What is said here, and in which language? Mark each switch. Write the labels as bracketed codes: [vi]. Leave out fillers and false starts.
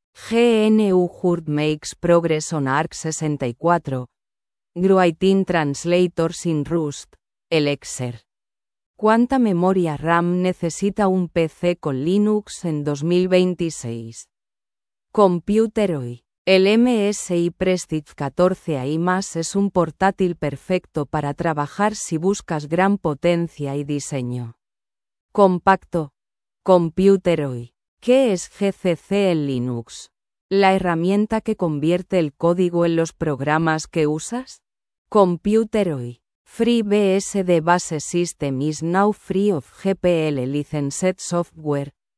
[en] GNU JURD makes progress on ARC64. GRUIT-IN translators in Rust, Elixir. [es] ¿Cuánta memoria RAM necesita un PC con Linux en 2026? Computer Hoy. El MSI Prestige 14 AI+ es un portátil perfecto para trabajar si buscas gran potencia y diseño. Compacto. Computer Hoy. ¿Qué es GCC en Linux? ¿La herramienta que convierte el código en los programas que usas? Computer Hoy. [en] FreeBSD Base System is now free of GPL licensed software.